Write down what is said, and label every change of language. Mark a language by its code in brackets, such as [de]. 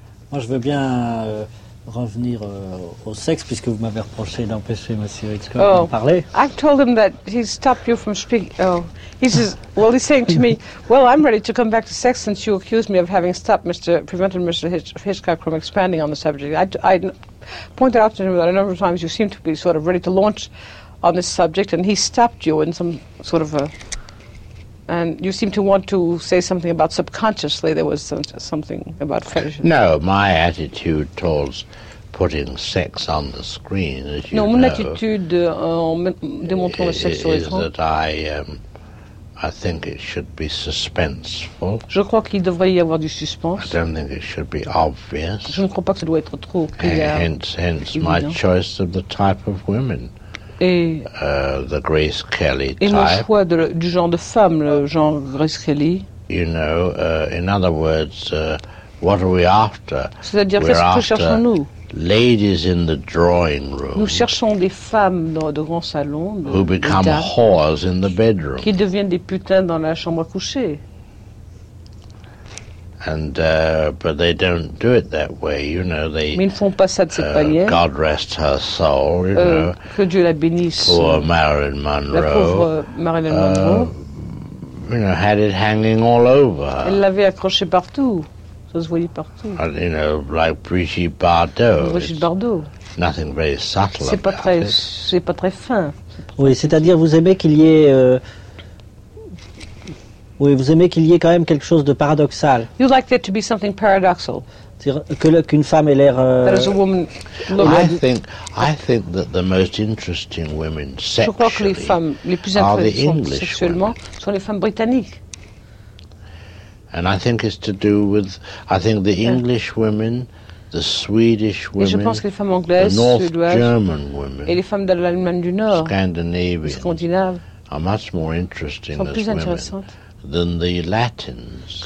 [fr] Moi, je veux bien revenir au sexe, puisque vous m'avez reproché d'empêcher Monsieur Hitchcock de parler. [en] I told him that he stopped you from speaking. Oh, he says, well, he's saying to me, well, I'm ready to come back to sex since you accused me of having stopped prevented Mr. Hitchcock from expanding on the subject. I pointed out to him that a number of times you seem to be sort of ready to launch on this subject, and he stopped you in some sort of a, and you seem to want to say something about subconsciously there was something about fetishism. No, my attitude towards putting sex on the screen, as you [fr] non, [en] know, [fr] mon attitude, démontrant le sexe sur [en] is that I think it should be suspenseful. [fr] Je crois qu'il devrait y avoir du suspense. [en] I don't think it should be obvious. [fr] Je ne crois pas que ça doit être trop clair. [en] Hence my choice of the type of women. [fr] Et [en] the Grace Kelly [fr] et [en] type. [fr] Et mon choix du genre de femme, le genre Grace Kelly. [en] You know, in other words, what are we after? [fr] C'est-à-dire, qu'est-ce que cherchons-nous? [en] ladies in the drawing room. [fr] Nous cherchons des femmes dans le grand salon. [en] Who become whores in the bedroom. [fr] Qui deviennent des putains dans la chambre à coucher. [en] And but they don't do it that way, you know. They. [fr] Mais ils ne font pas ça de cette manière. [en] God rest her soul, you know. [fr] Que Dieu la bénisse. [en] Poor Marilyn Monroe. [fr] La pauvre Marilyn Monroe. [en] You know, had it hanging all over. [fr] Elle l'avait accroché partout. Ça se voyait partout. [en] And, you know, like Brigitte Bardot. [fr] Brigitte Bardot. [en] Nothing very subtle. [fr] C'est pas [en] about [fr] très. [en] It. [fr] C'est pas très fin. Oui, c'est-à-dire, vous aimez qu'il y ait. Oui, vous aimez qu'il y ait quand même quelque chose de paradoxal. [en] You like there to be something paradoxal. [fr] C'est-à-dire que le, qu'une femme ait l'air. [en] That is a woman. I think that the most interesting women sexually. [fr] Je crois que les femmes les plus intéressantes sexuellement [en] women. [fr] Sont les femmes britanniques. [en] And I think it's to do with I think the English women, the Swedish women, [fr] et je pense que les femmes anglaises, [en] the North German women, [fr] et les femmes de l'Allemagne du Nord, [en] Scandinavian, [fr] Scandinaves, [en] are much more interesting [fr] sont plus intéressantes. [en] Than the Latins,